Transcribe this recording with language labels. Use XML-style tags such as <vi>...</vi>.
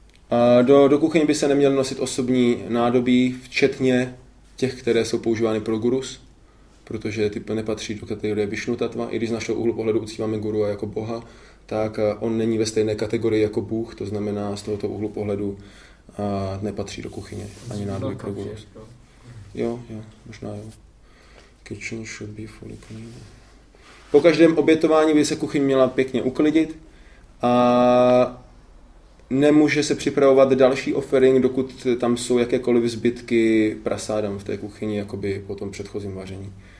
<cs>A do kuchyně by se neměly nosit osobní nádobí, včetně těch, které jsou používány pro gurus, protože ty nepatří do kategorie Vishnu tattva. I když z našeho úhlu pohledu uctíváme guru jako boha, tak on není ve stejné kategorii jako bůh, to znamená z tohoto úhlu pohledu nepatří do kuchyně ani nádobí pro gurus. Jo, možná jo.</cs> <en>Kitchen should be fully clean.</en> <cs>Po každém obětování by se kuchyň měla pěkně uklidit, a nemůže se připravovat další offering, dokud tam jsou jakékoliv zbytky prasádam v té kuchyni, jakoby po tom předchozím vaření.</cs>